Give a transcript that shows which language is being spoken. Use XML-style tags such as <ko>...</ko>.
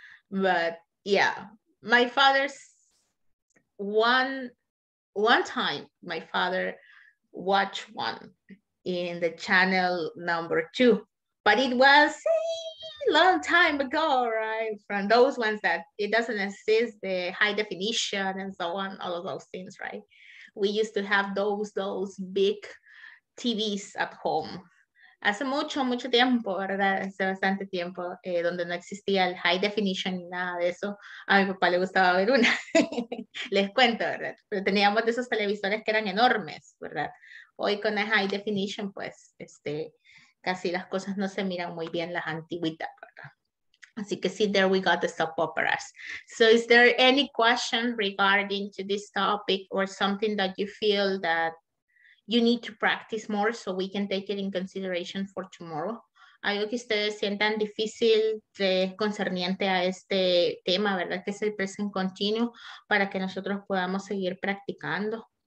<en>But yeah, my father's one time, my father watched one in the channel number 2. But it was a long time ago, right? From those ones that it doesn't exist, the high definition and so on, all of those things, right? We used to have those big TVs at home.</en> <es>Hace mucho, mucho tiempo, ¿verdad? Hace bastante tiempo, donde no existía el high definition ni nada de eso. A mi papá le gustaba ver una. Les cuento, ¿verdad? Pero teníamos de esos televisores que eran enormes, ¿verdad? Hoy con el high definition, pues, casi las cosas no se miran muy bien las antigüitas, ¿verdad? Así que sí,</es> <en>there we got the soap operas. So is there any question regarding to this topic or something that you feel that you need to practice more so we can take it in consideration for tomorrow?</en> <es>Algo que ustedes sientan difícil de concerniente a este tema, ¿verdad? Que es el present continuo para que nosotros podamos seguir practicando.</es>